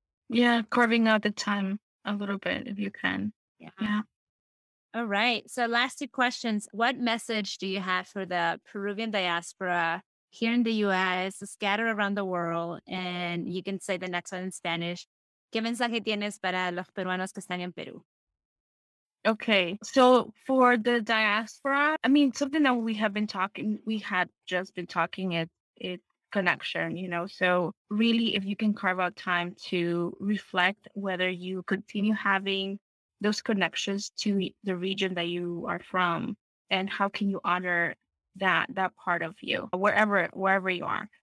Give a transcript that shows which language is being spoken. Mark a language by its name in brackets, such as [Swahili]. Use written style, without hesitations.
[English] yeah, carving out the time a little bit if you can. Yeah. All right. So last two questions. What message do you have for the Peruvian diaspora here in the U.S., scattered around the world? And you can say the next one in Spanish. [Spanish] ¿Qué mensaje tienes para los peruanos que están en Perú? [English] Okay. So for the diaspora, I mean, something that we had just been talking is connection, you know? So really, if you can carve out time to reflect whether you continue having those connections to the region that you are from, and how can you honor that part of you, wherever you are.